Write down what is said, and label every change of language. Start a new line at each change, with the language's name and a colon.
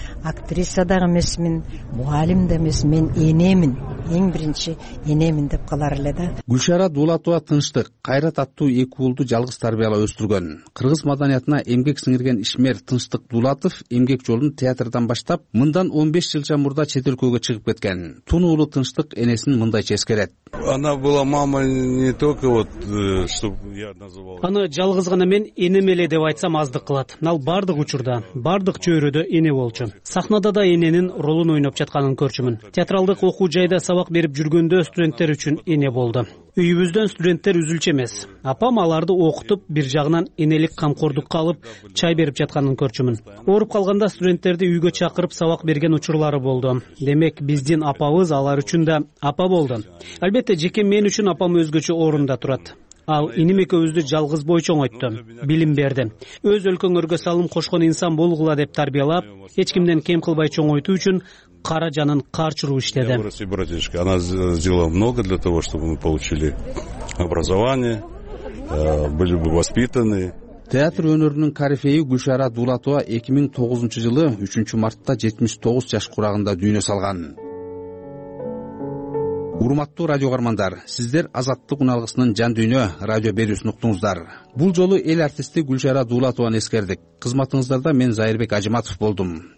Kyrgyz: Актриса дагы эмесмин, мугалим да эмес, мен энемин, эң биринчи энемин деп калар эле да. Гүлшара Дулатова Тынчтык, Кайрат аттуу эки уулду жалгыз тарбиялап өстүргөн. Кыргыз маданиятына эмгек сиңирген ишмер Тынчтык Дулатов эмгек жолун театрдан баштап, мындан 15 жылча мурда чет өлкөгө чыгып кеткен. Тун уулу Тынчтык энесин мындайча эскерет.
Russian: Она была мама не только вот, чтобы я называл.
Kyrgyz: Аны жалгыз гана мен энем эле деп айтсам аздык кылат. Ал бардык учурда, бардык чөйрөдө эне болчу. Сахнада да эненин ролун ойноп жатканын көрчүмүн. Театралдык окуу жайда сабак берип жүргөндө студенттер үчүн эне болду. Үйүбүздөн студенттер үзүлчү эмес. Апам аларды окутуп, бир жагынан энелик камкордукка алып, чай берип жатканын көрчүмүн. Ооруп калганда студенттерди үйгө чакырып сабак берген учурлары болду. Демек биздин апабыз алар үчүн да апа болду. Албетте жеке мен үчүн апам өзгөчө орунда турат. Ал иним экөөбүздү жалгыз бой чоңойтту, билим берди. Өз өлкөңөргө салым кошкон инсан болгула деп тарбиялап, эч кимден кем кылбай чоңойтуу үчүн кара жанын каарчуруу иштеди.
Russian: Братишка, она сделала много для того, чтобы мы получили образование, были бы воспитаны.
Kyrgyz: Театр өнөрүнүн карифеи Гүлшара Дулатова 2009 жылы 3 мартта 79 жаш курагында дүйнө салган. Урматтуу радио каармандар, сиздер Азаттык уналгысынын жан дүйнө радио берүүсүн уктуңуздар. Бул жолу эл артисти Гүлшара Дулатованы эскердик. Кызматыңыздарда мен Зайырбек Ажыматов болдум.